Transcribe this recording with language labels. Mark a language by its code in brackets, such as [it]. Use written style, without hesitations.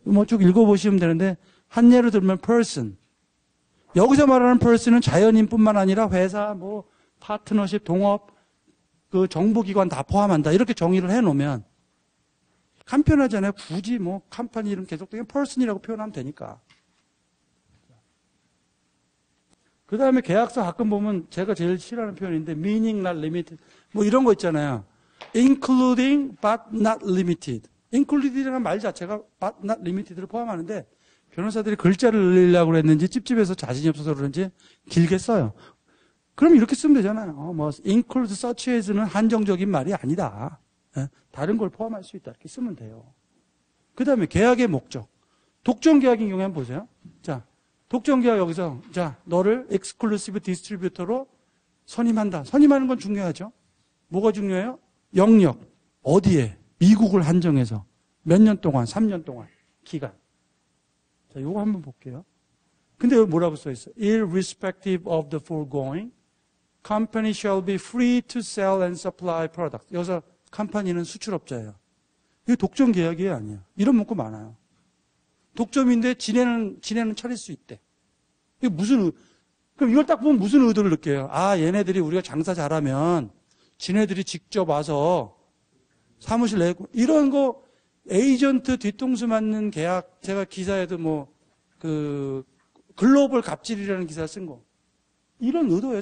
[ko] 뭐쭉 읽어보시면 되는데 한 예로 들면 person. 여기서 말하는 person은 자연인뿐만 아니라 회사 뭐 파트너십, 동업, 그 정부기관 다 포함한다. 이렇게 정의를 해놓으면 간편하잖아요. 굳이 뭐 컴퍼니 이름 계속 그냥 person이라고 표현하면 되니까. 그 다음에 계약서 가끔 보면 제가 제일 싫어하는 표현인데 [en] meaning not limited [ko] 뭐 이런 거 있잖아요. [en] including but not limited. [ko] included이라는 말 자체가 but not limited를 포함하는데 변호사들이 글자를 늘리려고 했는지 찝찝해서 자신이 없어서 그런지 길게 써요. 그럼 이렇게 쓰면 되잖아요. 뭐 include such as는 한정적인 말이 아니다. 다른 걸 포함할 수 있다. 이렇게 쓰면 돼요. 그 다음에 계약의 목적. 독점 계약인 경우에 한번 보세요. 자, 독점 계약 여기서 자, 너를 exclusive distributor로 선임한다. 선임하는 건 중요하죠. 뭐가 중요해요? 영역. 어디에? 미국을 한정해서. 몇년 동안? 3년 동안? 기간. 자, 요거 한번 볼게요. 근데 여기 뭐라고 써 있어? [en] Irrespective of the foregoing, company shall be free to sell and supply products. [ko] 여기서 company는 수출업자예요. 이게 독점 계약이에요? 아니에요? 이런 문구 많아요. 독점인데 지네는 차릴 수 있대. 이게 무슨, 그럼 이걸 딱 보면 무슨 의도를 느껴요? 아, 얘네들이 우리가 장사 잘하면 지네들이 직접 와서 사무실 내고, 이런 거, 에이전트 뒤통수 맞는 계약, 제가 기사에도 뭐, 글로벌 갑질이라는 기사 쓴 거. 이런 의도예요.